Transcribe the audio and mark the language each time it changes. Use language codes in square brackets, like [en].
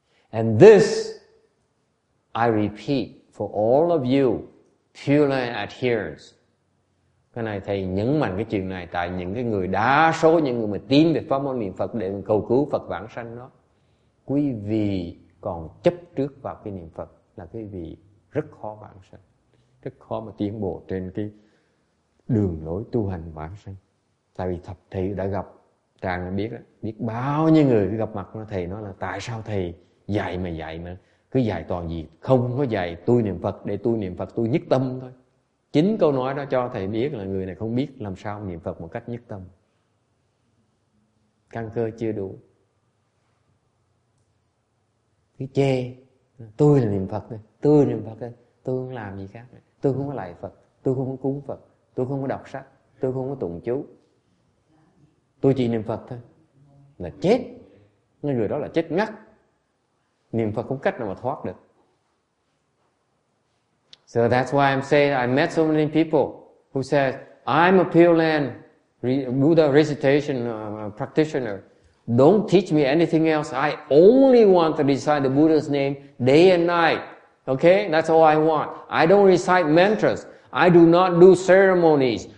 [en] And this I repeat for all of you Pure Land adherents. [vi] Cái này thầy nhấn mạnh cái chuyện này tại những cái người đa số, những người mà tin về pháp môn niệm Phật để cầu cứu Phật vãng sanh đó. Quý vị còn chấp trước vào cái niệm Phật là quý vị rất khó vãng sanh, rất khó mà tiến bộ trên cái đường lối tu hành vãng sanh. Tại vì thập thầy đã gặp, tràng đã biết đó, biết bao nhiêu người gặp mặt nó, thầy nói là tại sao thầy dạy mà cứ dạy toàn gì, không có dạy tôi niệm Phật, để tôi niệm Phật tôi nhất tâm thôi. Chính câu nói đó cho thầy biết là người này không biết làm sao niệm Phật một cách nhất tâm. Căn cơ chưa đủ. Cứ chê. Tôi là niệm Phật. Tôi niệm Phật. Tôi không làm gì khác. Tôi không có lạy Phật. Tôi không có cúng Phật. Tôi không có đọc sách. Tôi không có tụng chú. Tôi chỉ niệm Phật thôi. Là chết. Người đó là chết ngắt. Niệm Phật không cách nào mà thoát được. [en] So that's why I'm saying I met so many people who said, I'm a Pure Land Buddha recitation practitioner. Don't teach me anything else. I only want to recite the Buddha's name day and night. Okay? That's all I want. I don't recite mantras. I do not do ceremonies.